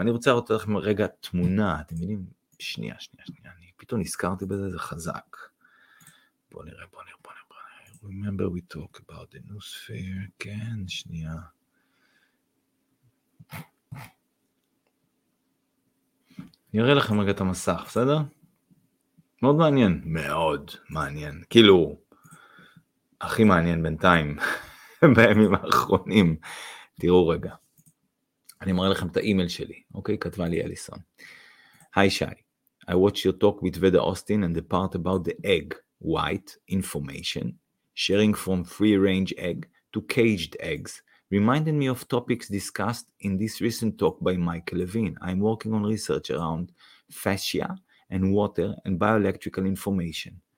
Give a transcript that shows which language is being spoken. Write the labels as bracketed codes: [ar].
[he] אני רוצה לראות לכם רגע תמונה, אתם מבינים? שנייה, אני פתאום נזכרתי בזה, זה חזק. בוא נראה. [en] Remember we talk about the new sphere, [he] כן, שנייה. אני אראה לכם רגע את המסך, בסדר? מאוד מעניין, מאוד מעניין, כאילו, הכי מעניין בינתיים, בימים האחרונים, תראו רגע, אני מראה לכם את האימייל שלי, אוקיי, כתבה לי אליסון, היי שי, [en] I watch your talk with Veda Austin and the part about the egg, white, information, sharing from free-range egg to caged eggs, reminded me of topics discussed in this recent talk by Michael Levine, I'm working on research around fascia, and water and bioelectrical information.